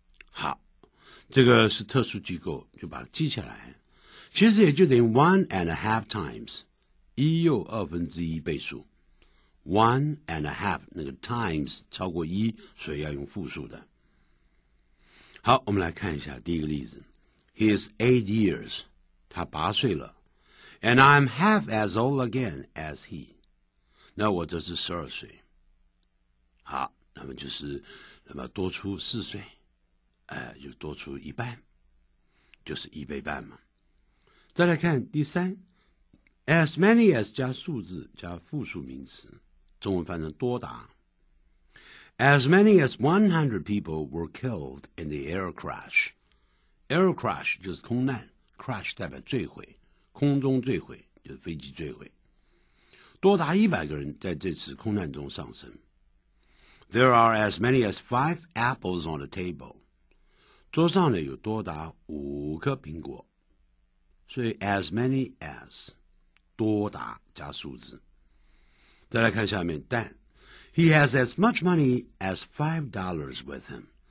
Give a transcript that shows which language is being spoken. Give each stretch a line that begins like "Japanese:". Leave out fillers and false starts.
Chinese: 好，这个是特殊机构，就把它记下来。其实也就等于
English: one and a half times，
Chinese: 一又二分之一倍数。
English: One and a half，
Chinese: 那个 times 超过一，所以要用复数的。好，我们来看一下第一个例子。
English: He is 8 years，
Chinese: 他八岁了。
English: And I'm half as old again as he，
Chinese: 那我这是12岁。好，那么就是那么多出4岁，就多出一半，就是一倍半嘛。再来看第三 ，as many as 加数字加复数名词。中文翻成多达。
English: As many as 100 people were killed in the air crash.
Chinese: Air crash 就是空难 ，crash 代表坠毁，空中坠毁就是飞机坠毁。多达100个人在这次空难中丧生。
English: There are as many as 5 apples on the table.
Chinese: 桌上呢有多达5颗苹果。所以 as many as 多达加数字。再来看下面，但
English: ，He has as much money as $5 with him.